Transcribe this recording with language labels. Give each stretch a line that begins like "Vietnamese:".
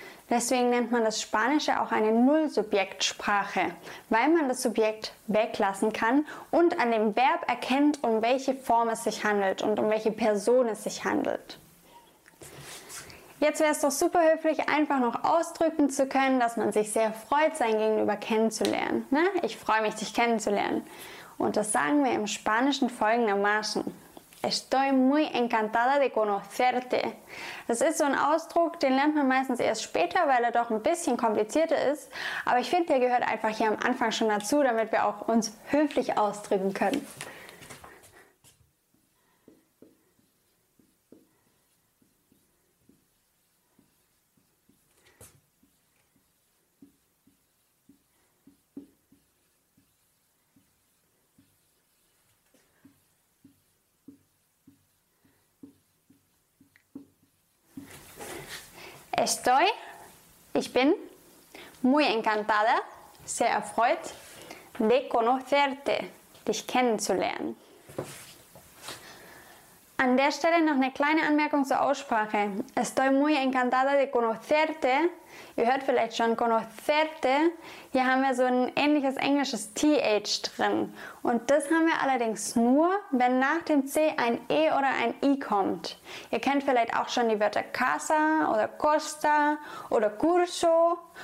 German: Deswegen nennt man das Spanische auch eine Nullsubjektsprache, weil man das Subjekt weglassen kann und an dem Verb erkennt, um welche Form es sich handelt und um welche Person es sich handelt. Jetzt wäre es doch super höflich, einfach noch ausdrücken zu können, dass man sich sehr freut, sein Gegenüber kennenzulernen. Ne? Ich freue mich, dich kennenzulernen. Und das sagen wir im Spanischen folgendermaßen.
Spanish: Estoy muy encantada de conocerte.
German: Das ist so ein Ausdruck, den lernt man meistens erst später, weil er doch ein bisschen komplizierter ist. Aber ich finde, der gehört einfach hier am Anfang schon dazu, damit wir auch uns höflich ausdrücken können.
Spanish: Estoy,
German: ich bin,
Spanish: muy encantada,
German: sehr erfreut,
Spanish: de conocerte,
German: dich kennenzulernen. An der Stelle noch eine kleine Anmerkung zur Aussprache.
Spanish: Estoy muy encantada de conocerte.
German: Ihr hört vielleicht schon conocerte. Hier haben wir so ein ähnliches englisches TH drin. Und das haben wir allerdings nur, wenn nach dem C ein E oder ein I kommt. Ihr kennt vielleicht auch schon die Wörter casa oder costa oder curso.